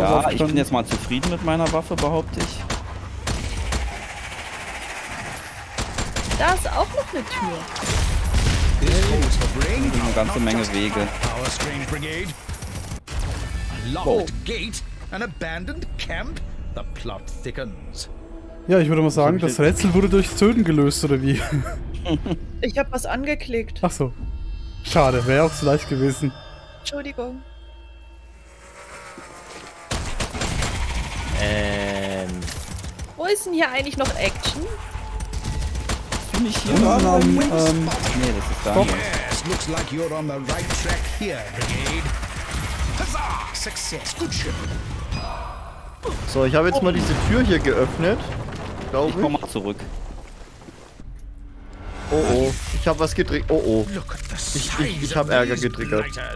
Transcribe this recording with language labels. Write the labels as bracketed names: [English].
[German] ja, ich bin jetzt mal zufrieden mit meiner Waffe, behaupte ich. Da ist auch noch eine Tür. Da sind eine ganze Menge Wege. [English] A locked gate, an abandoned camp, the plot thickens. [German] Ja, ich würde mal sagen, das Rätsel wurde durch Zöden gelöst, oder wie? Ich hab was angeklickt. Ach so. Schade, wäre auch zu leicht gewesen. Entschuldigung. Wo ist denn hier eigentlich noch Action? Bin ich hier? Ja, dann, nee, das ist da. Stop. [English] Yes, looks like you're on the right track here, Brigade. Huzzah! Success, good ship. [German] So, ich habe jetzt mal diese Tür hier geöffnet. Ich komm mal zurück. Oh oh, ich hab was getriggert. Oh oh. Ich hab Ärger getriggert.